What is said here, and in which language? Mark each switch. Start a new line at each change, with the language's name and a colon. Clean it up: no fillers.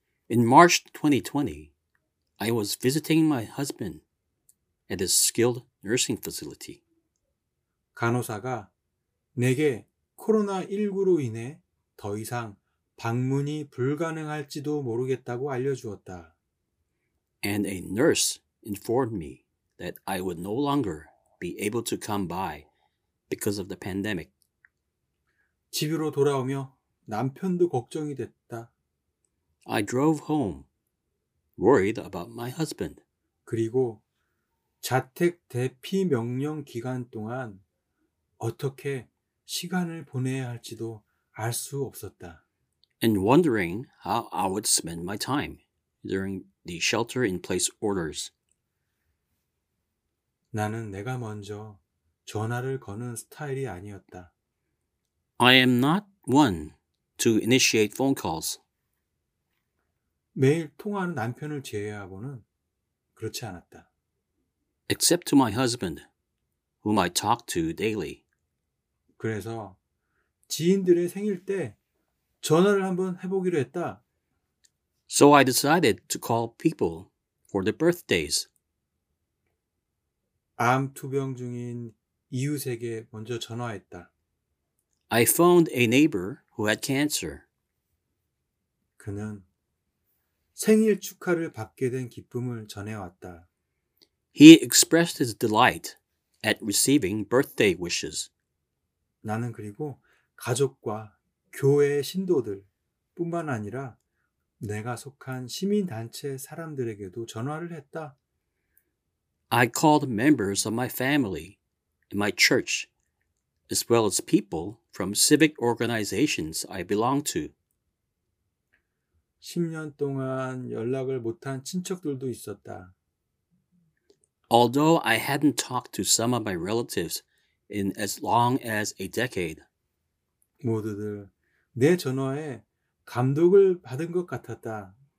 English: In March 2020, I was visiting my husband at a skilled nursing facility.
Korean: 간호사가 내게 코로나19로 인해 더 이상 방문이 불가능할지도 모르겠다고 알려주었다.
English: And a nurse informed me that I would no longer be able to come by because of the pandemic.
Korean: 집으로 돌아오며 남편도 걱정이 됐다.
English: I drove home, worried about my husband.
Korean: 그리고 자택 대피 명령 기간 동안 어떻게 시간을 보내야 할지도 알 수 없었다.
English: And wondering how I would spend my time during the shelter-in-place orders.
Korean: 나는 내가 먼저 전화를 거는 스타일이 아니었다.
English: I am not one to initiate phone calls.
Korean: 매일 통화하는 남편을 제외하고는 그렇지 않았다.
English: Except to my husband, whom I talk to daily.
Korean: 그래서 지인들의 생일 때 전화를 한번 해보기로 했다.
English: So I decided to call people for their birthdays.
Korean: 암 투병 중인 이웃에게 먼저 전화했다.
English: I phoned a neighbor who had cancer.
Korean: 그는 생일 축하를 받게 된 기쁨을 전해왔다.
English: He expressed his delight at receiving birthday wishes.
Korean: 나는 그리고 가족과 교회 신도들 뿐만 아니라 내가 속한 시민단체 사람들에게도 전화를 했다.
English: I called members of my family and my church, as well as people from civic organizations I belong to.
Korean: 10년 동안 연락을 못한 친척들도 있었다.
English: Although I hadn't talked to some of my relatives in as long as a decade,
Korean: 모두들 내 전화에 감동을 받은 것 같았다.